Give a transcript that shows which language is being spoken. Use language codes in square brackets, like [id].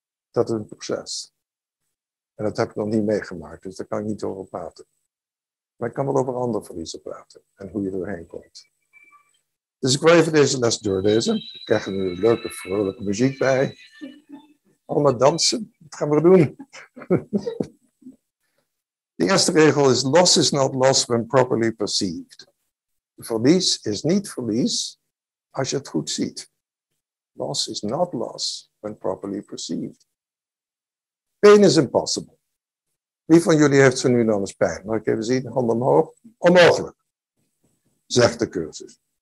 [nl] Dat is een proces. En dat heb ik nog niet meegemaakt, dus daar kan ik niet over praten. Maar ik kan wel over andere verliezen praten en hoe je erheen komt. Dus ik wil even deze les doorlezen. Ik krijg er nu een leuke, vrolijke muziek bij. Allemaal dansen. Wat gaan we doen? De eerste regel is: [en] loss is not loss when properly perceived. [nl] Verlies is niet verlies als je het goed ziet. [en] Loss is not loss when properly perceived. Pain is impossible. [nl] Wie van jullie heeft zo nu dan eens pijn? Mag ik even zien? Handen omhoog. Onmogelijk, zegt de cursus.